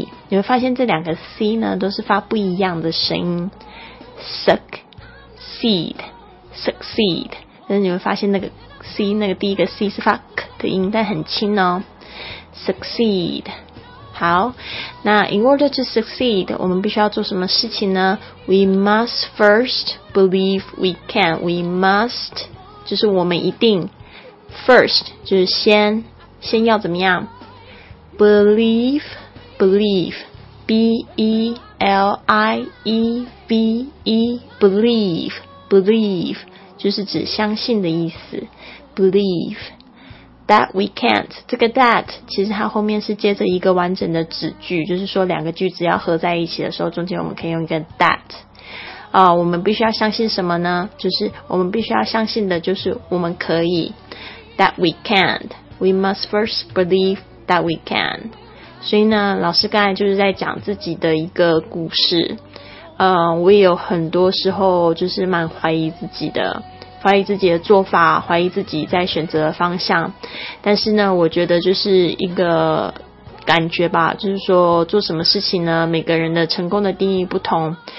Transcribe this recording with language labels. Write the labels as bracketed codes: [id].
[zh] 你会发现这两个 c 呢都是发不一样的声音， succeedSucceed， 但是你会发现那个 C， 那个第一个 C 是发 K 的音，但很轻哦。 [en] Succeed， [zh] 好，那 [en] in order to succeed， [zh] 我们必须要做什么事情呢 [en] ？We must first believe we can. We must [zh] 就是我们一定 [en] ，first [zh] 就是先要怎么样 [en] ？Believe， believe， b e l i e v e， believe， believe。 [zh] 就是指相信的意思 [en] believe that we can't， [zh] 这个 that 其实它后面是接着一个完整的子句，就是说两个句子要合在一起的时候，中间我们可以用一个 that、我们必须要相信什么呢？就是我们必须要相信的就是我们可以 [en] that we can't， we must first believe that we can。 [zh] 所以呢，老师刚才就是在讲自己的一个故事，我也有很多时候就是蛮怀疑自己的，怀疑自己的做法，怀疑自己在选择的方向。但是呢，我觉得就是一个感觉吧，就是说做什么事情呢，每个人的成功的定义不同。